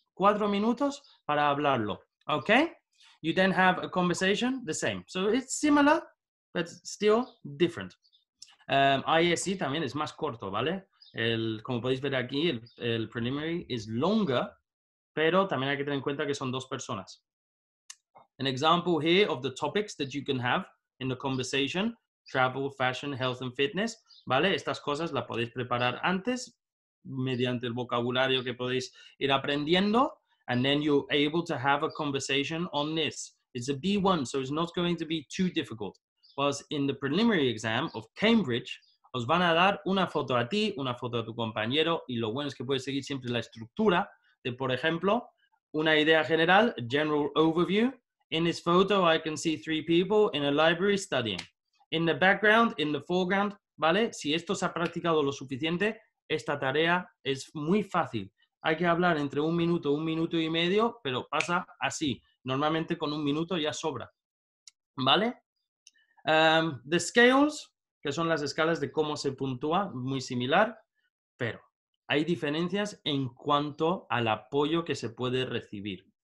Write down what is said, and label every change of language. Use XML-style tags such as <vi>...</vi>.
<en>4</en> <es>minutos para hablarlo,</es> <en>¿ok? You then have a conversation, the same. So it's similar, but still different. ISE</en> <es>también es más corto, ¿vale? Como podéis ver aquí, el preliminary</es> <en>is longer,</en> <es>pero también hay que tener en cuenta que son 2 personas.</es> <en>An example here of the topics that you can have in the conversation, travel, fashion, health and fitness, ¿vale?</en> <es>Estas cosas las podéis preparar antes mediante el vocabulario que podéis ir aprendiendo.</es> <en>And then you're able to have a conversation on this. It's a B1, so it's not going to be too difficult. Whereas in the preliminary exam of Cambridge,</en> <es>os van a dar una foto a ti, una foto a tu compañero, y lo bueno es que puedes seguir siempre la estructura de, por ejemplo, una idea general,</es> <en>general overview. In this photo, I can see three people in a library studying. In the background, in the foreground, ¿vale?</en> <es>Si esto se ha practicado lo suficiente, esta tarea es muy fácil. Hay que hablar entre un minuto y medio, pero pasa así. Normalmente con un minuto ya sobra, ¿vale? The scales, que son las escalas de cómo se puntúa, muy similar, pero hay diferencias en cuanto al apoyo que se puede recibir.</es>